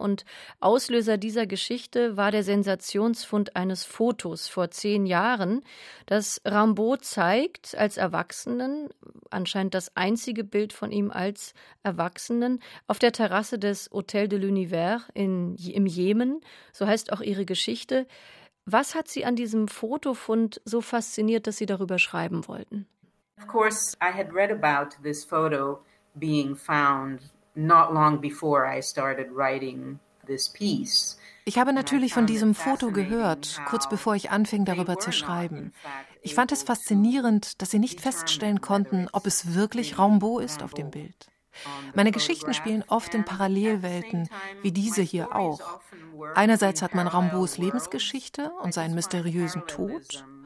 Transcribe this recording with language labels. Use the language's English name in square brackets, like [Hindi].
[German] Und Auslöser dieser Geschichte war der Sensationsfund eines Fotos vor 10 Jahren, das Rimbaud zeigt als Erwachsenen, anscheinend das einzige Bild von ihm als Erwachsenen, auf der Terrasse des Hôtel de l'Univers im Jemen. So heißt auch ihre Geschichte. Was hat Sie an diesem Fotofund so fasziniert, dass Sie darüber schreiben wollten? [English] Of course, I had read about this photo being found not long before I started writing this piece. [German] Ich habe natürlich von diesem Foto gehört, kurz bevor ich anfing, darüber zu schreiben. Ich fand es faszinierend, dass Sie nicht feststellen konnten, ob es wirklich Rimbaud ist auf dem Bild. Meine Geschichten spielen oft in Parallelwelten, wie diese hier auch. Einerseits hat man Rimbauds Lebensgeschichte und seinen mysteriösen Tod.